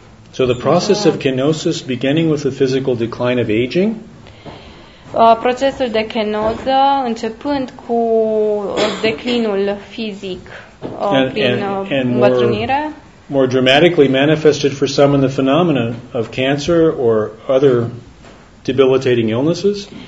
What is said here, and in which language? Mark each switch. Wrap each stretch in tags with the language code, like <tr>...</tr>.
<en>So the process of kenosis beginning with the physical decline of aging.</en> <ro>Procesul de kenoză începând cu declinul fizic prin îmbătrânire.</ro> <en>More dramatically manifested for some in the phenomena of cancer or other debilitating illnesses.</en>